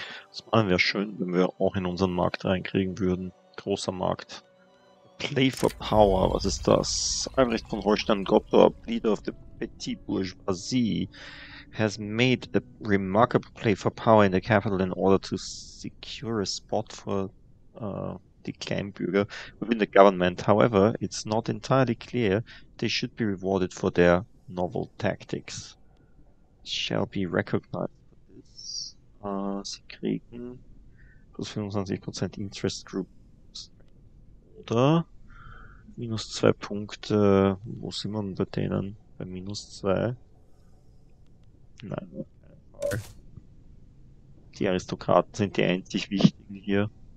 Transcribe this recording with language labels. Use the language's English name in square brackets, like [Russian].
[German] Osmanen wäre schön, wenn wir auch in unseren Markt reinkriegen würden. Großer Markt. Play for Power, was ist das? [English] Albrecht von Holstein, Gottorp, Leader of the Petit Bourgeoisie, has made a remarkable play for power in the capital in order to secure a spot for the Kleinbürger within the government. However, it's not entirely clear they should be rewarded for their novel tactics. Shall be recognized for this. [German] Sie kriegen plus 25% Interest Group oder minus 2 Punkte. Wo sind wir bei denen? Bei minus 2? Nein, auf keinen Fall. Die Aristokraten sind die einzig wichtigen hier.